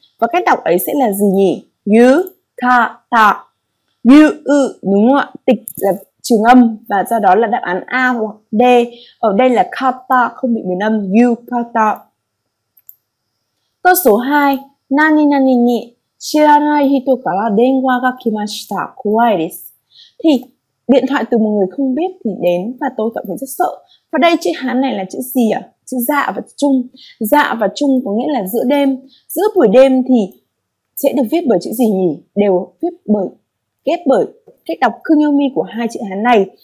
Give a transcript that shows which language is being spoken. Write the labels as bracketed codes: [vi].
[vi] Và cách đọc ấy sẽ là gì nhỉ? Yu, ka, ta. Yu, u, đúng không ạ? Tịch là trường âm và do đó là đáp án A hoặc D. Ở đây là kata không bị biến âm, yukata. Câu số 2, nani nani ni [ja] 知らない人から電話が来ました。怖いです。 [vi] Thì điện thoại từ một người không biết thì đến và tôi cảm thấy rất sợ. Và đây chữ hán này là chữ gì ạ? Chữ dạ và trung. Dạ và trung có nghĩa là giữa đêm. Giữa buổi đêm thì sẽ được viết bởi chữ gì nhỉ? Đều viết bởi, ghép bởi cách đọc kunyomi của hai chữ hán này.